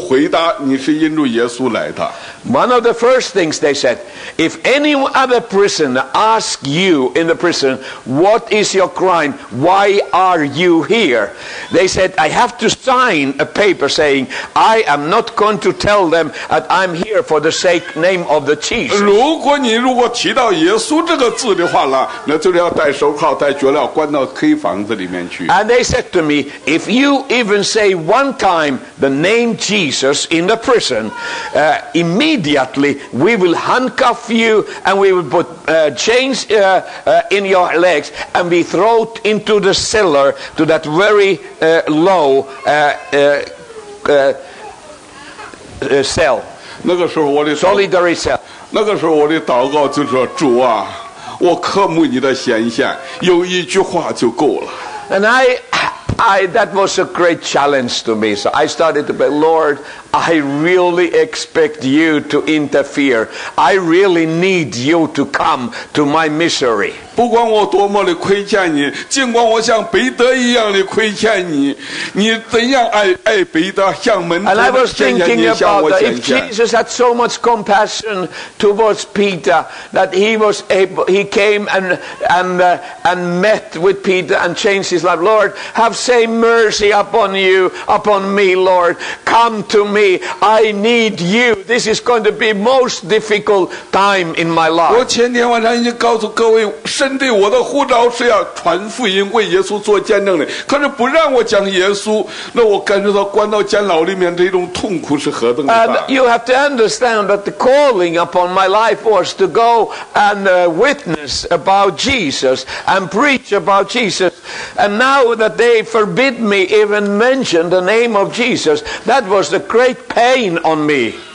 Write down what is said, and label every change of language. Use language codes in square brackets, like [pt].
[zh] 我必须要在那个纸上签字，不管任何人问你为什么来，你不能够回答你是因着耶稣来的。 [en] One of the first things they said, if any other prisoner asks you in the prison, what is your crime? Why are you here? They said, I have to sign a paper saying, I am not going to tell them that I'm here for the sake name of the Jesus. [zh] 如果你如果提到耶稣这个字的话，那就要戴手铐、戴脚镣，关到黑房子里面去。 [en] And they said to me, if you even say one time the name Jesus in the prison, immediately, we will handcuff you and we will put chains in your legs and be thrown into the cell. pillar to that very low cell. [zh] 那个时候我的, [en] solidary cell. [zh] 那个时候我的祷告就说, 主啊, 我渴慕你的显现, 有一句话就够了。 [en] And I that was a great challenge to me. So I started to pray, Lord, I really expect you to interfere. I really need you to come to my misery. [zh] 不管我多么的亏欠你, 尽管我像彼得一样的亏欠你, 你怎样爱彼得, 向门徒的显现, [en] And I was thinking about that. If Jesus had so much compassion towards Peter that he was able, he came and met with Peter and changed his life. Lord, have same mercy upon you, upon me, Lord. Come to me. I need you. This is going to be most difficult time in my life. [zh] 我前天晚上已经告诉各位, 神对我的呼召是要传福音为耶稣做见证的, 可是不让我讲耶稣, 那我感觉到关到监牢里面这种痛苦是何等的大。 [en] And you have to understand that the calling upon my life was to go and witness about Jesus and preach about Jesus. And now that they forbid me even mention the name of Jesus, that was the great pain on me.